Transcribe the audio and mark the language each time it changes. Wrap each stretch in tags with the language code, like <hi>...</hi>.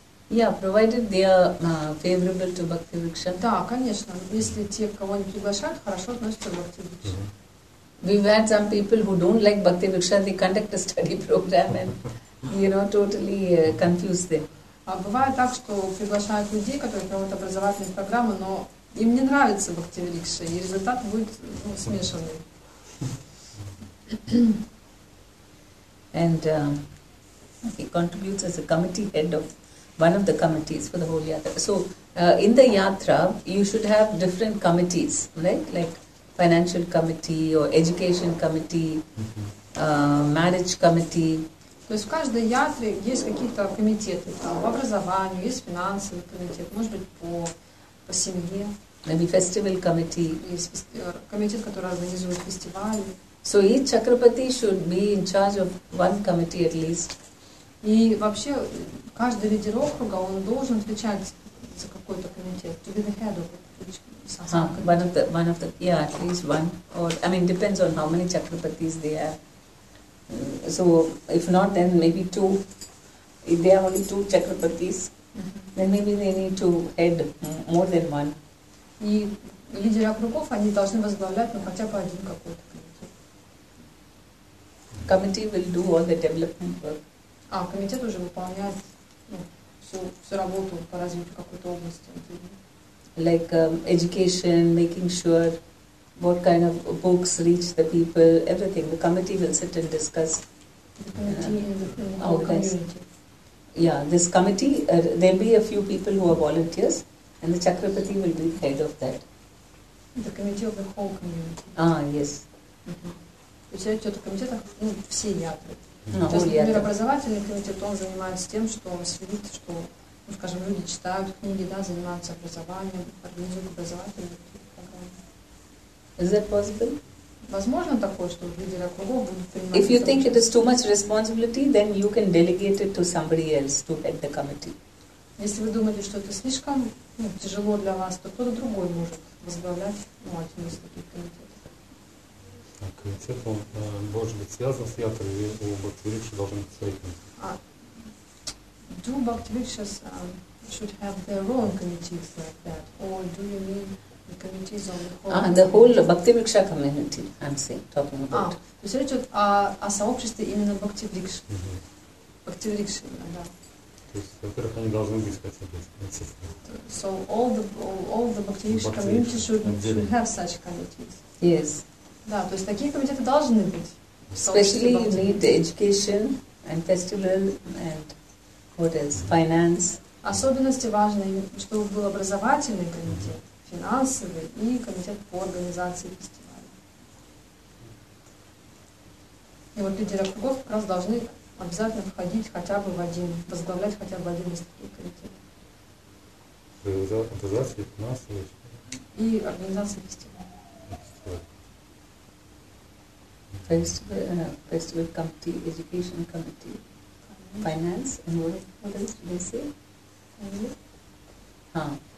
<en>Yeah, provided they are favorable to Bhakti Vriksha.</en> <ru>Да, конечно. Если те, кого они приглашают, хорошо относятся к Бхакти Вриксха.</ru> <en>We've had some people who don't like Bhakti Vriksha, they conduct a study program and, you know, totally confuse them.</en> <ru>А бывает так, что приглашают людей, которые проводят образовательные программы, но им не нравится Бхакти Вриксха, и результат будет смешанный.</ru> <en>And he contributes as a committee head of one of the committees for the whole yatra. So in the yatra, you should have different committees, right? Like financial committee or education committee, marriage committee.</en> <ru>То есть в каждой ятре есть какие-то комитеты, там, по образованию, есть финансовый комитет, может быть, по семье.</ru> <en>Maybe festival committee.</en> <ru>Есть комитет, который организует фестивали.</ru> <en>So each chakrapati should be in charge of one committee at least.</en> <ru>И вообще, каждый лидер округа, он должен отвечать за какой-то комитет.</ru> <en>To be the head of each sasana. One of the, yeah, at least one. Or, I mean, depends on how many chakrapatis they have. So, if not, then maybe two. If they have only two chakrapatis, then maybe they need to head more than one.</en> <ru>И лидеры округов, они должны возглавлять, ну, хотя бы один какой-то комитет.</ru> <en>Committee will do all the development work.</en> <ru>А комитет уже выполняет всю работу по развитию какой-то области.</ru> <en>Like education, making sure what kind of books reach the people, everything. The committee will sit and discuss. The committee and the community. Yeah, this committee, there'll be a few people who are volunteers and the Chakrapati will be the head of that. The committee of the whole community. Ah, yes.</en> <ru>То есть это комитет, все ятры. Например, образовательный комитет, он занимается тем, что он следит, что, ну, скажем, люди читают книги, да, занимаются образованием, организуют образовательные программы.</ru> <en>Is that possible?</en> <ru>Возможно такое, что лидеры округов будут принимать...</ru> <en>If you think it is too much responsibility, then you can delegate it to somebody else to head the committee.</en> <ru>Если вы думаете, что это слишком тяжело для вас, то кто-то другой может возглавлять один из таких комитетов. Комитет, он может быть связан с ятрой, и у Бхакти Вриксха должен быть свой комитет.</ru> <en>Do Bhakti Vrikshas should have their own committees like that? Or do you mean the committees of the whole The whole Bhakti Vriksha community, I'm saying, talking about.</en> <ru>То есть речь идет о сообществе именно Bhakti Vriksha. Bhakti Vriksha, да. То есть, во-первых, они должны быть хотя бы.</ru> <en>So all the Bhakti Vriksha community should have such committees. Yes.</en> <ru>Да, то есть такие комитеты должны быть.</ru> <en>Especially you need education and festival and what else? Finance.</en> <ru>Особенности важны, чтобы был образовательный комитет, финансовый и комитет по организации фестиваля. И вот лидеры округов как раз должны обязательно входить хотя бы в один, возглавлять хотя бы один из таких комитетов. Организации, финансовый. И организации фестиваля.</ru> <en>Festival committee, education committee, finance, and what else did I say?</en>